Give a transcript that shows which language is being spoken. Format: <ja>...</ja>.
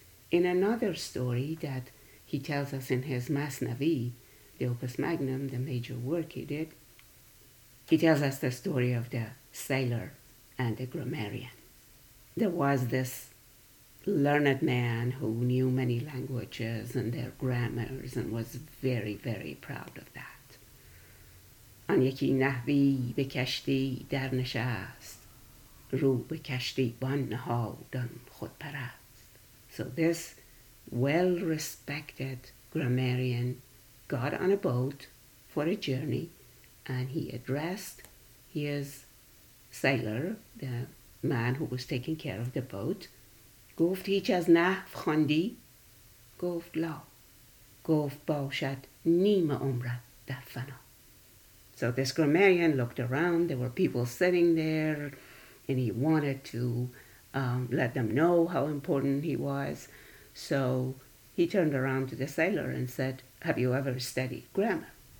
<en>In another story that he tells us in his Masnavi, the Opus Magnum, the major work he did, he tells us the story of the sailor and the grammarian. There was this learned man who knew many languages and their grammars and was very, very proud of that.</en> <fa>آن یکی نحوی به کشتی در نشست رو به کشتی بان نهادن خود پرست.</fa> <en>So this well-respected grammarian got on a boat for a journey and he addressed his sailor, the man who was taking care of the boat.</en> <fa>گفت هیچ از نحو خواندی؟ گفت لا. گفت باشد نیم عمرت در فنا.</fa> <en>So this grammarian looked around, there were people sitting there and he wanted to let them know how important he was. So he turned around to the sailor and said, have you ever studied grammar?</en>